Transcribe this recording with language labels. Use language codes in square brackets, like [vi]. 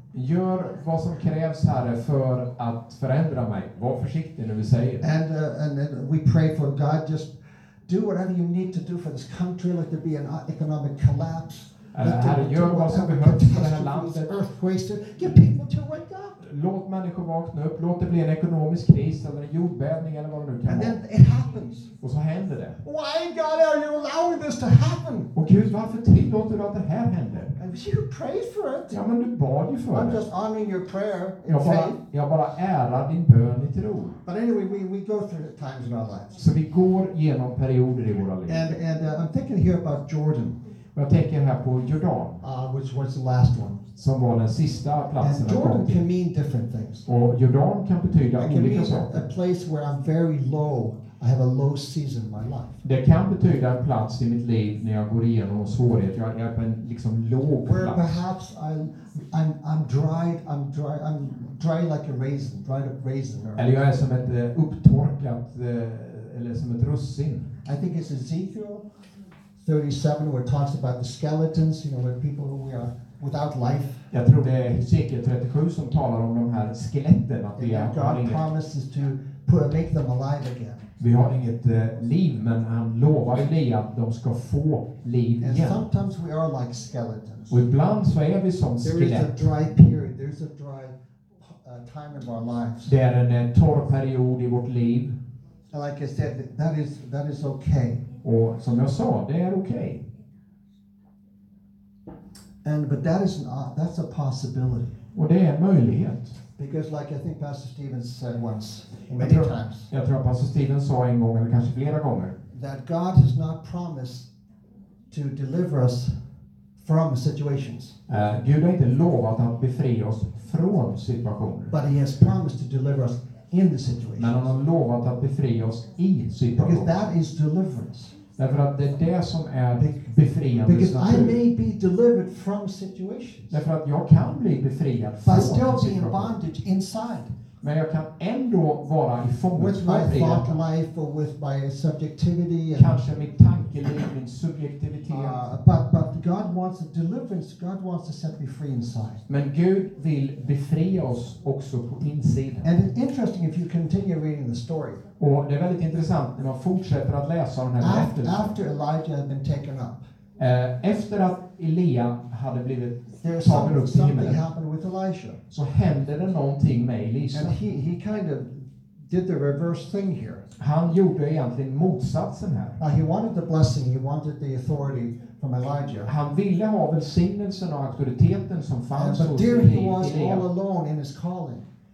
[sv] Gör vad som krävs här för att förändra mig. Var försiktig när vi säger. [en] And we pray for God, just do whatever you need to do for this country, let there be an economic collapse. [sv] Herre, gör vad som behövs för det här landet. [en] Earthquakes, get people to wake up. [sv] Låt människor vakna upp. Låt det bli en ekonomisk kris eller en jordbävning eller vad det nu kan [en] and [sv] vara. [en] And then it happens. [sv] Och så händer det. [en] Why, God, are you allowing this to happen? [sv] Och Gud, varför tillåter du att det här händer? [en] You prayed for it. [sv] Ja, men du bad ju för [en] I'm [sv] det. [en] Just honoring your prayer in [sv] jag bara ärar din bön i tro. [en] But anyway, we go through the times in our lives. [sv] Så vi går igenom perioder i våra liv. [en] And I'm thinking here about Jordan. [sv] Jag tänker här på Jordan, [en] which was the last one. [sv] Som var den sista platsen. [en] And Jordan can mean different things. [sv] Och Jordan kan betyda [en] can [sv] olika [en] mean [sv] saker. [en] A place where I'm very low. I have a low season in my life. [sv] Det kan betyda en plats i mitt liv när jag går igenom svårigheter. Jag är på en liksom låg plats. [en] Where perhaps I'm dry like a raisin, dried up raisin. [sv] Eller jag är som ett upptorkat eller som ett russin. [en] I think it's Ezekiel 37 where it talks about the skeletons, you know, where people who we are without life. [sv] Jag tror det är Ezekiel 37 som talar om de här skeletten att vi är. [en] God promises to make them alive again. [sv] Vi har inget liv, men han lovar ju att de ska få liv [en] and [sv] igen. [en] And sometimes we are like skeletons. [sv] Och ibland så är vi som [en] there [sv] skelett. [en] There is a dry period. There is a dry time in our lives. [sv] Det är en torr period i vårt liv. [en] And like I said, that is okay. [sv] Och som jag sa, det är okej. [en] And but that is that's a possibility. [sv] Och det är en möjlighet. [en] Because like I think Pastor Stephen said once, many times. [sv] Jag tror Pastor Stephen sa en gång eller kanske flera gånger. [en] That God has not promised to deliver us from situations. [sv] Gud har inte lovat att befria oss från situationer. [en] But he has promised to deliver us in the situation. [sv] Men han har lovat att befria oss i situationen. [en] Because that is deliverance. [sv] Därför att det är det som är befriande. [en] Because I may be delivered from situations. [sv] Därför att jag kan bli befriad från situationer. [en] But still be in bondage inside. [sv] Men jag kan ändå vara i fångenskap. [en] With my thought life or with my subjectivity. [sv] Kanske mitt tankeliv, min subjektivitet. [en] But God wants a deliverance. God wants to set me free inside. [sv] Men Gud vill befria oss också på insidan. [en] And it's interesting if you continue reading the story. [sv] Och det är väldigt intressant när man fortsätter att läsa den här berättelsen. [en] After Elijah had been taken up. [sv] Efter att Elia hade blivit tagen upp till himlen. [en] Something happened with Elisha. [sv] Så hände det någonting med Elisa. [en] And he kind of did the reverse thing here. [sv] Han gjorde egentligen motsatsen här. [en] He wanted the blessing, he wanted the authority from Elijah. [sv] Han ville ha välsignelsen och auktoriteten som fanns hos Elia. [en] But there he was all alone in his calling.